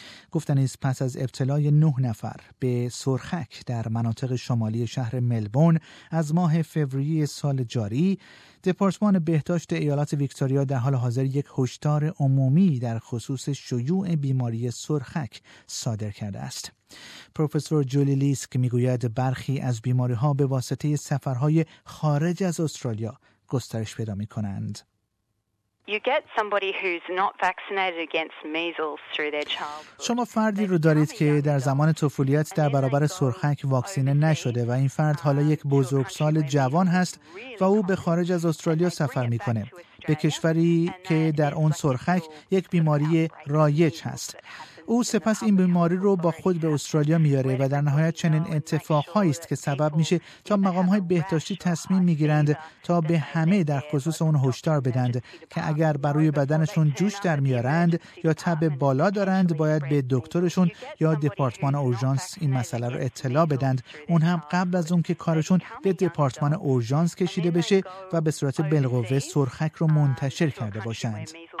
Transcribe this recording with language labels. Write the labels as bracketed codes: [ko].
[fa] گفتن است پس از ابتلای 9 نفر به سرخک در مناطق شمالی شهر ملبورن از ماه فوریه سال جاری، دپارتمان بهداشت ایالت ویکتوریا در حال حاضر یک هشدار عمومی در خصوص شیوع بیماری سرخک صادر کرده است. پروفسور جولی لیسک میگوید برخی از بیماری‌ها به واسطه سفرهای خارج از استرالیا گسترش پیدا می‌کنند. [en] You get somebody who's not vaccinated against measles through their childhood. [fa] شما فردی رو دارید که در زمان طفولیت در برابر سرخک واکسینه نشده و این فرد حالا یک بزرگسال جوان هست و او به خارج از استرالیا سفر میکنه، به کشوری که در اون سرخک یک بیماری رایج هست. او سپس این بیماری رو با خود به استرالیا میاره و در نهایت چنین اتفاقهایی است که سبب میشه تا مقامهای بهداشتی تصمیم میگیرند تا به همه در خصوص اون هشدار بدند که اگر بروی بدنشون جوش در میارند یا تب بالا دارند باید به دکترشون یا دپارتمان اورژانس این مسئله رو اطلاع بدند، اون هم قبل از اون که کارشون به دپارتمان اورژانس کشیده بشه و به صورت بالقوه سرخک رو منتشر کرده باشند.